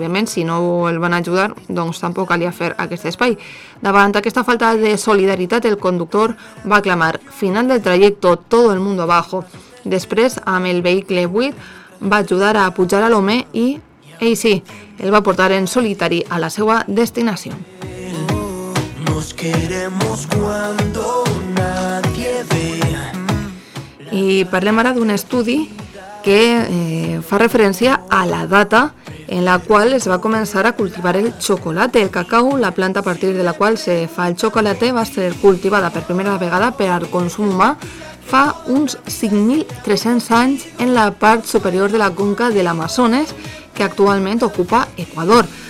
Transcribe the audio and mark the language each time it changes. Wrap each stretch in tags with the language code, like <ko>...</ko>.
<ca>Òbviament, si no el van ajudar, doncs tampoc calia fer aquest espai. Davant aquesta falta de solidaritat, el conductor va clamar</ca> <es>"Final del trayecto, todo el mundo abajo".</es> <ca>Després, amb el vehicle buit, va ajudar a pujar a l'home i, ei sí, el va portar en solitari a la seva destinació.</ca> <es>Nos queremos cuando nadie ve.</es> <ca>I parlem ara d'un estudi que fa referència a la data en la qual es va començar a cultivar el xocolate. El cacau, la planta a partir de la qual se fa el xocolate, va ser cultivada per primera vegada per al consum humà fa uns 5.300 anys en la part superior de la conca de l'Amazones, que actualment ocupa Ecuador.</ca>